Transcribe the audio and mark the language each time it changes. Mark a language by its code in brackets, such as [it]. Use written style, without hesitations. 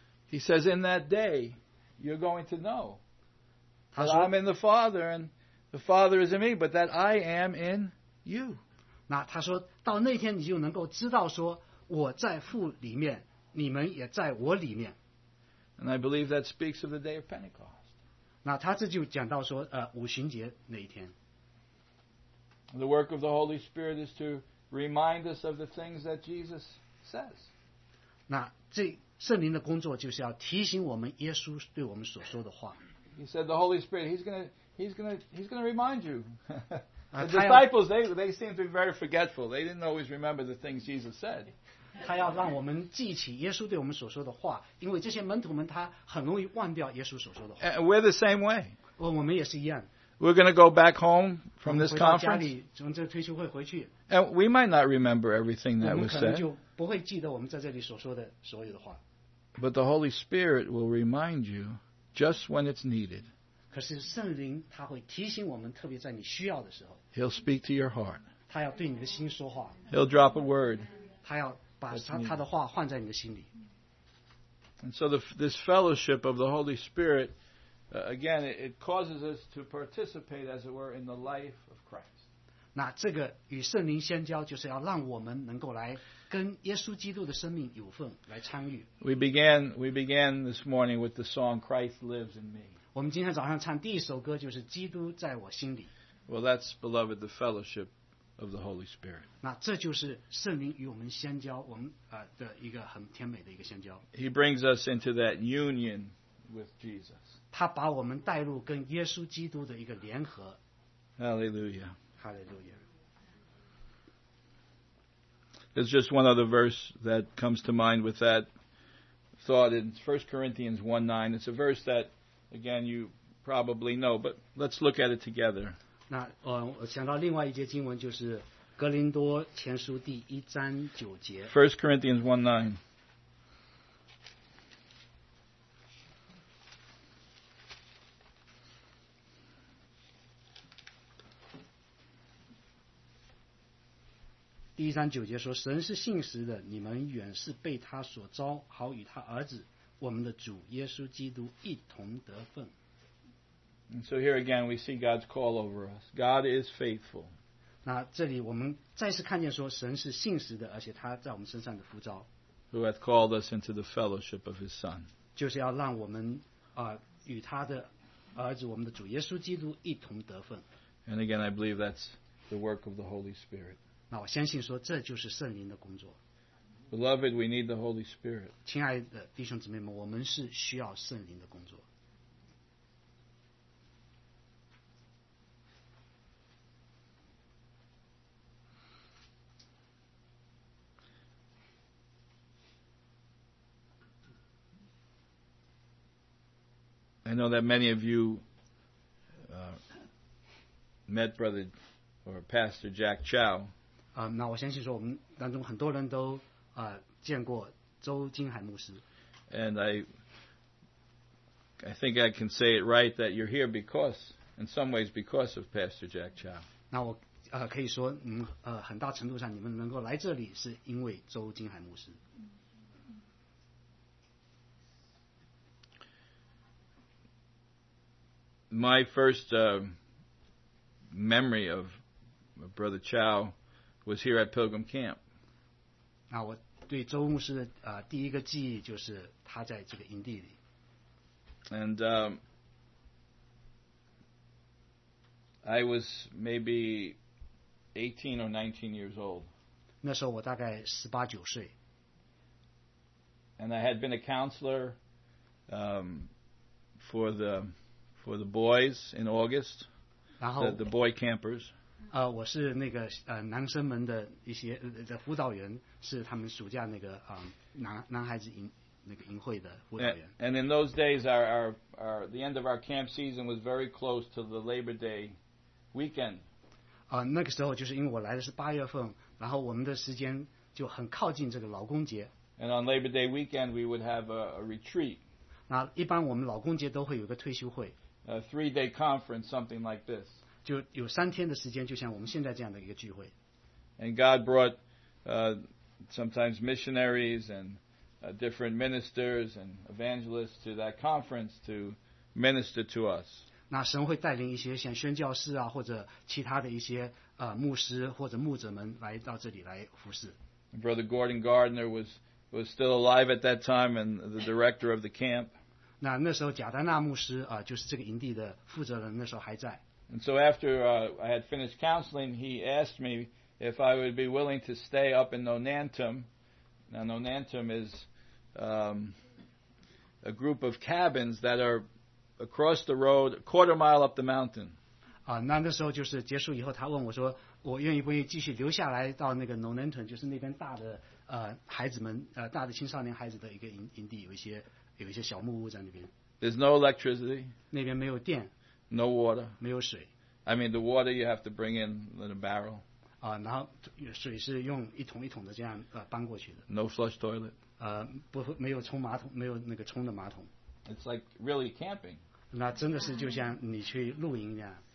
[en] He says, in that day, you're going to know that I'm in the Father and the Father is in me, but that I am in you. [zh] 那他说到那天你就能够知道说我在父里面，你们也在我里面。 [en] And I believe that speaks of the day of Pentecost. [zh] 那他这就讲到说五旬节那一天。 [en] The work of the Holy Spirit is to remind us of the things that Jesus says. [zh] 那这圣灵的工作就是要提醒我们耶稣对我们所说的话。 [en] He said the Holy Spirit, he's going to remind you. The disciples, they seem to be very forgetful. They didn't always remember the things Jesus said. [zh] 他要让我们记起耶稣对我们所说的话，因为这些门徒们他很容易忘掉耶稣所说的话。 [en] We're the same way. [zh] 我们也是一样。 [en] We're going to go back home from this conference. [zh] 从这退休会回去。 [en] And we might not remember everything that was said. [zh] 我们可能就不会记得我们在这里所说的所有的话。 [en] But the Holy Spirit will remind you just when it's needed. [zh] 可是圣灵他会提醒我们，特别在你需要的时候。 [en] He'll speak to your heart. [zh] 他要对你的心说话。 [en] He'll drop a word. [zh] 他要把他的话放在你的心里。 [en] And so this fellowship of the Holy Spirit. Again, it causes us to participate, as it were, in the life of Christ. [zh] 那这个与圣灵相交，就是要让我们能够来跟耶稣基督的生命有份来参与。 [en] We began this morning with the song "Christ Lives in Me." [zh] 我们今天早上唱第一首歌就是《基督在我心里》。 [en] Well, that's beloved, the fellowship of the Holy Spirit. [zh] 那这就是圣灵与我们相交，我们的一个很甜美的一个相交。 [en] He brings us into that union with Jesus. [zh] 他把我们带入跟耶稣基督的一个联合。 [en] Hallelujah. Hallelujah. There's just one other verse that comes to mind with that thought. It's 1 Corinthians 1:9. It's a verse that, again, you probably know, but let's look at it together. [zh] 那我想到另外一节经文就是格林多前书第一章九节。 [en] 1 Corinthians 1:9. [zh] 第一章九节说，神是信实的，你们原是被他所召，好与他儿子我们的主耶稣基督一同得份。 [en] And so here again we see God's call over us. God is faithful. [zh] 那这里我们再次看见说神是信实的，而且他在我们身上的呼召。 [en] Who hath called us into the fellowship of his son. [zh] 就是要让我们与他的儿子我们的主耶稣基督一同得份。 [en] And again I believe that's the work of the Holy Spirit. [zh] 那我相信说这就是圣灵的工作。 [en] Beloved, we need the Holy Spirit. [zh] 亲爱的弟兄姊妹们，我们是需要圣灵的工作。 [en] I know that many of you met Brother or Pastor Jack Chow. [zh] 那我相信说我们当中很多人都见过周金海牧师。 [en] And I I think I can say it right that you're here because, in some ways, because of Pastor Jack Chow. [zh] 那我可以说，嗯很大程度上你们能够来这里是因为周金海牧师。 [en] My first memory of Brother Chow was here at Pilgrim Camp. [zh] 那我对周牧师的第一个记忆就是他在这个营地里。 [en] And I was maybe 18 or 19 years old. [zh] 那时候我大概十八九岁。 [en] And I had been a counselor for the boys in August. [zh] 然后 [en] the boy campers. [zh] 我是那个男生们的一些的辅导员，是他们暑假那个男孩子营。 [en] And in those days, our the end of our camp season was very close to the Labor Day weekend. [zh] 那个时候就是因为我来的是八月份，然后我们的时间就很靠近这个劳工节。 [en] And on Labor Day weekend, we would have a retreat. [zh] 那一般我们劳工节都会有个退休会。 [en] A three-day conference, something like this. [zh] 就有三天的时间，就像我们现在这样的一个聚会。 [en] And God brought sometimes missionaries and different ministers and evangelists to that conference to minister to us. [zh] 那神会带领一些像宣教士啊，或者其他的一些牧师或者牧者们来到这里来服侍。 [en] Brother Gordon Gardner was still alive at that time and the director of the camp. [zh] 那那时候贾丹纳牧师就是这个营地的负责人，那时候还在。 [en] And so after I had finished counseling, he asked me if I would be willing to stay up in Nonantum. Now, Nonantum is a group of cabins that are across the road, a quarter mile up the mountain. [zh] 那那时候就是结束以后，他问我说，我愿意不愿意继续留下来到那个 Nonantum， 就是那边大的孩子们大的青少年孩子的一个营地，有一些小木屋在那边。 [en] There's no electricity. [zh] 那边没有电。 [en] No water. [zh] 没有水。 [en] I mean, the water you have to bring in in a barrel. [zh] 然后水是用一桶一桶的这样搬过去的。 [en] No flush toilet. [zh] 不，没有冲马桶，没有那个冲的马桶。 [en] It's like really camping. [zh] 那真的是就像你去露营一样。